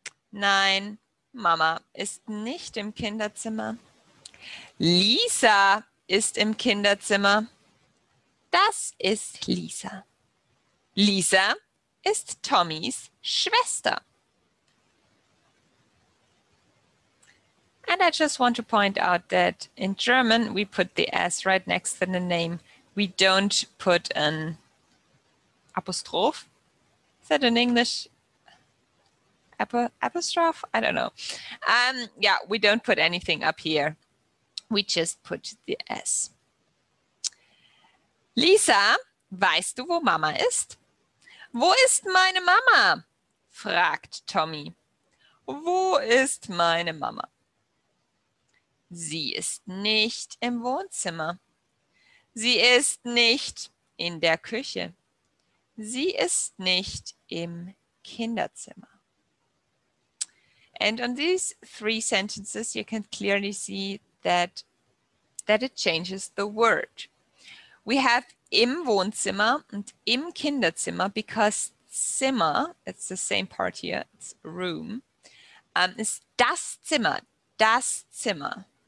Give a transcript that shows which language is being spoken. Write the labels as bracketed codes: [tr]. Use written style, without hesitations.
[de] Nein, Mama ist nicht im Kinderzimmer. Lisa ist im Kinderzimmer. Das ist Lisa. Lisa ist Tommys Schwester. [en] And I just want to point out that in German we put the S right next to the name. We don't put an apostrophe. Is that in English? Apostrophe? I don't know. Yeah, we don't put anything up here. We just put the S. [de] Lisa, weißt du, wo Mama ist? Wo ist meine Mama? Fragt Tommy. Wo ist meine Mama? Sie ist nicht im Wohnzimmer. Sie ist nicht in der Küche. Sie ist nicht im Kinderzimmer. [en] And on these three sentences, you can clearly see that it changes the word. We have im Wohnzimmer and im Kinderzimmer because Zimmer, it's the same part here, it's room, is das Zimmer, das Zimmer.